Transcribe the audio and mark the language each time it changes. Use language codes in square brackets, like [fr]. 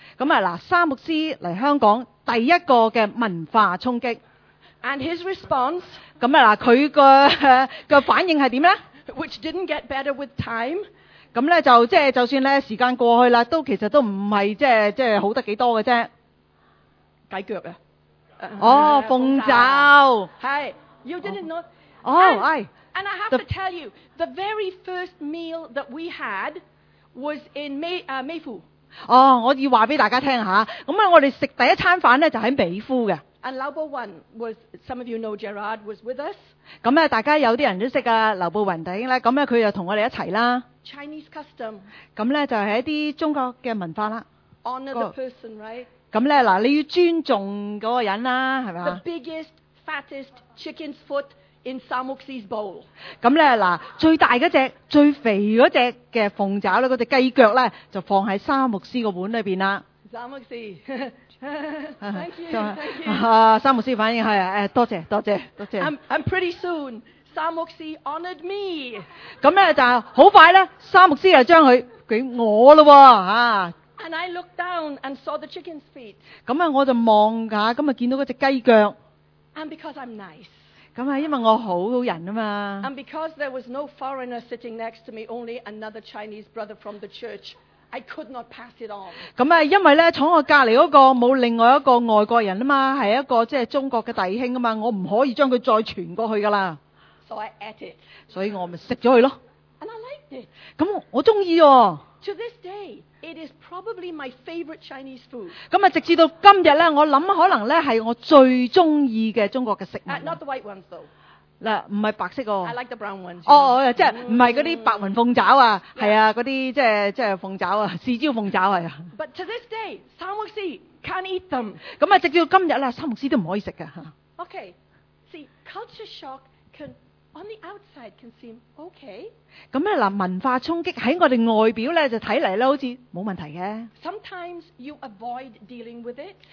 [yue] 咁嗱，沙牧师嚟香港第一个嘅文化冲击。 [en] And his response, [yue] 咁啊嗱，佢个反应系点咧 [en] ？Which didn't get better with time. [yue] 咁咧就即系就算咧时间过去啦，都其实都唔系即系好得几多嘅啫。解脚啊！哦，凤爪。系 [en] ，you didn't know. [yue] 哦，系。 [en] And I have to tell you, the very first meal that we had was in Mayfu. [yue] 哦，我要话俾大家听下，咁我哋食第一餐饭咧就喺美孚嘅。 [en] And Lau Bo Wan was, some of you know Gerard was with us. [yue] 咁大家有啲人都识噶刘步云弟兄咧，咁佢就同我哋一齐啦。 [en] Chinese custom. [yue] 咁咧就系一啲中国嘅文化啦。 [en] Honor the person, right? [yue] 咁咧嗱，你要尊重嗰个人啦，系咪啊 [en] ？The biggest, fattest chicken's foot in Samuksi's bowl. [yue] 咁咧嗱，最大嗰只、最肥嗰只嘅凤爪咧，嗰只鸡脚咧，就放喺沙牧师个碗里边啦。沙牧师。 [en] Thank you. Thank you. [yue] 沙牧师反应系多谢多谢多谢。 [en] I'm pretty soon. 沙牧师 honored me. [yue] 咁咧就好快咧，沙牧师就将佢俾我啦吓。 [en] And I looked down and saw the chicken's feet. [yue] 咁我就望下，咁啊见到嗰只鸡脚。 [en] And because I'm nice. [yue] 咁啊，因为我好人啊嘛。 [en] And because there was no foreigner sitting next to me, only another Chinese brother from the church. I could not pass it on. [yue] 咁因为咧，坐我隔篱嗰个冇另外一个外国人啊嘛，系一个即系中国嘅弟兄啊嘛，我唔可以将佢再传过去噶啦。 [en] So I ate it. [yue] 所以我咪食咗佢咯。 [en] And I liked it. [yue] 咁我中意哦。 [en] To this day, it is probably my favorite Chinese food. [yue] 咁直至到今日咧，我谂可能咧系我最中意嘅中国嘅食物。 [en] Not the white ones though. [yue] 嗱，唔係白色喎。 [en] I like the brown ones. [yue] 哦，即係唔係嗰啲白雲鳳爪啊？係、yeah. 啊，嗰啲即係鳳爪啊，豉椒鳳爪係啊。 [en] But to this day, Samuksi can't eat them. [yue] 咁直到今日啦，沙牧師都唔可以食嘅嚇。 [en] Okay, see, culture shock can on the outside can seem okay. [yue] 咁文化衝擊喺我哋外表咧就睇嚟咧好似冇問題嘅。 [en] Sometimes you avoid dealing with it.